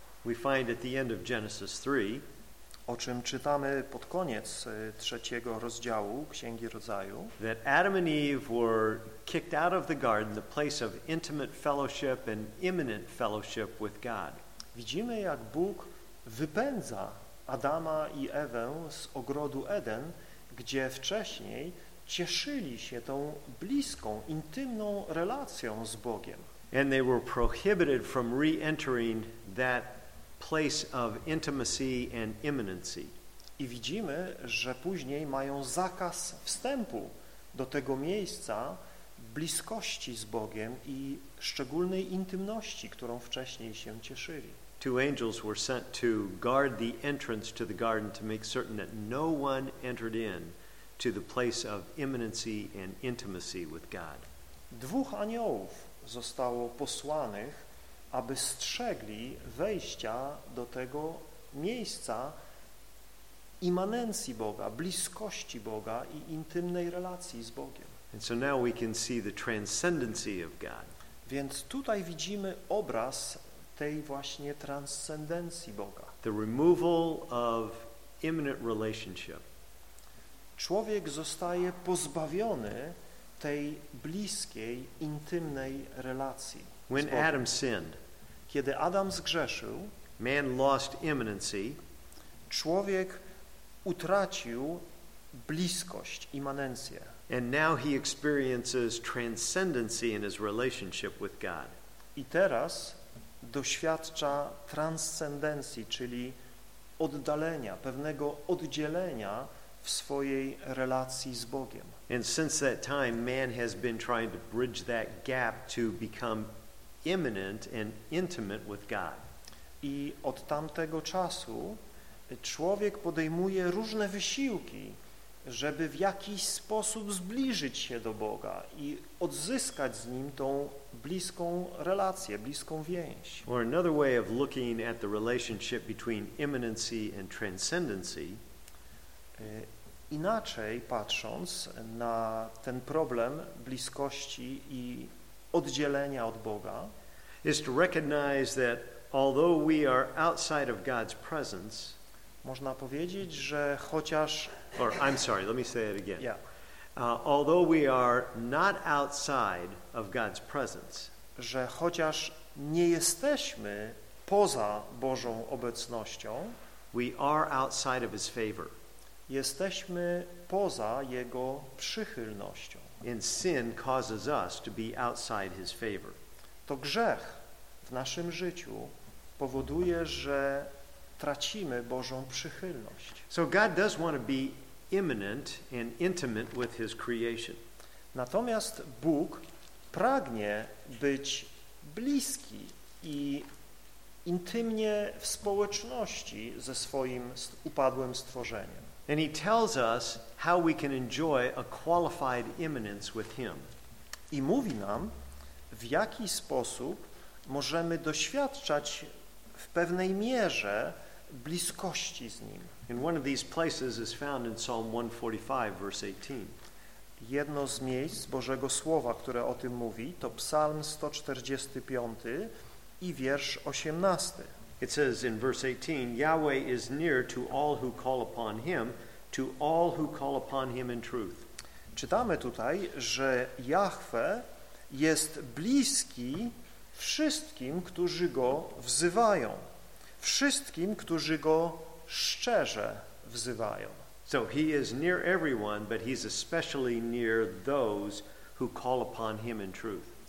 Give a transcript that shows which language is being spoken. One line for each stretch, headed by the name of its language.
English: we find at the end of Genesis 3,
Polish: o czym czytamy pod koniec trzeciego rozdziału Księgi Rodzaju,
English: that Adam and Eve were kicked out of the garden, the place of intimate fellowship and imminent fellowship with God.
Polish: Widzimy, jak Bóg wypędza Adama i Ewę z ogrodu Eden, gdzie wcześniej cieszyli się tą bliską, intymną relacją z Bogiem.
English: And they were prohibited from re-entering that place of intimacy and imminency.
Polish: I widzimy, że później mają zakaz wstępu do tego miejsca bliskości z Bogiem i szczególnej intymności, którą wcześniej się cieszyli.
English: Two angels were sent to guard the entrance to the garden to make certain that no one entered in to the place of imminency and intimacy with God.
Polish: Dwóch aniołów zostało posłanych, aby strzegli wejścia do tego miejsca immanencji Boga, bliskości Boga i intymnej relacji z Bogiem.
English: And so now we can see the transcendency of God.
Polish: Więc tutaj widzimy obraz tej właśnie transcendencji Boga.
English: The removal of imminent relationship.
Polish: Człowiek zostaje pozbawiony tej bliskiej, intymnej relacji.
English: When Adam sinned,
Polish: kiedy Adam zgrzeszył,
English: man lost imminency,
Polish: człowiek utracił bliskość, immanencję.
English: And now he experiences transcendency in his relationship with God.
Polish: I teraz doświadcza transcendencji, czyli oddalenia, pewnego oddzielenia w swojej relacji z Bogiem.
English: And since that time, man has been trying to bridge that gap to become imminent and intimate with God.
Polish: I od tamtego czasu człowiek podejmuje różne wysiłki, żeby w jakiś sposób zbliżyć się do Boga i odzyskać z Nim tą bliską relację, bliską więź.
English: Or another way of looking at the relationship between imminency and transcendency.
Polish: Inaczej patrząc na ten problem bliskości i oddzielenia od Boga,
English: is to recognize that although we are outside of God's presence,
Polish: można powiedzieć, że chociaż...
English: Or, I'm sorry, let me say it again. Yeah. Although we are not outside of God's presence,
Polish: że chociaż nie jesteśmy poza Bożą obecnością,
English: we are outside of His favor.
Polish: Jesteśmy poza Jego przychylnością.
English: And sin causes us to be outside His favor.
Polish: To grzech w naszym życiu powoduje, że tracimy Bożą przychylność.
English: So God does want to be imminent and intimate with His creation.
Polish: Natomiast Bóg pragnie być bliski i intymnie w społeczności ze swoim upadłym stworzeniem.
English: And He tells us how we can enjoy a qualified imminence with Him.
Polish: I mówi nam, w jaki sposób możemy doświadczać w pewnej mierze bliskości z Nim.
English: And one of these places is found in Psalm 145, verse 18.
Polish: Jedno z miejsc Bożego Słowa, które o tym mówi, to Psalm 145 i wiersz 18.
English: It says in verse 18, Yahweh is near to all who call upon Him, to all who call upon Him in truth.
Polish: Czytamy tutaj, że Jahwe jest bliski wszystkim, którzy Go wzywają. Wszystkim, którzy Go szczerze wzywają.
English: So He is near everyone, but He's especially near those who call upon Him in truth.